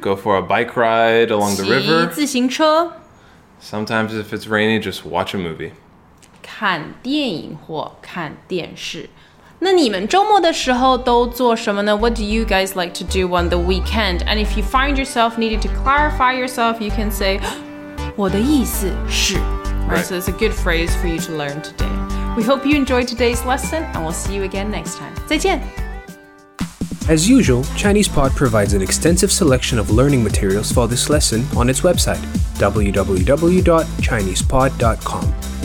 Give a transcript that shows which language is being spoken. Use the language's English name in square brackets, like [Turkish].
[English] go for a bike ride along the river. [Chinese] 骑自行车。 [English] Sometimes if it's rainy, just watch a movie. [Chinese] 看电影或看电视。那你们周末的时候都做什么呢? [English] What do you guys like to do on the weekend? And if you find yourself needing to clarify yourself, you can say, [Chinese] 我的意思是。 [English] Right. So it's a good phrase for you to learn today. We hope you enjoyed today's lesson, and we'll see you again next time. [Chinese] 再见! [English] As usual, ChinesePod provides an extensive selection of learning materials for this lesson on its website, www.chinesepod.com.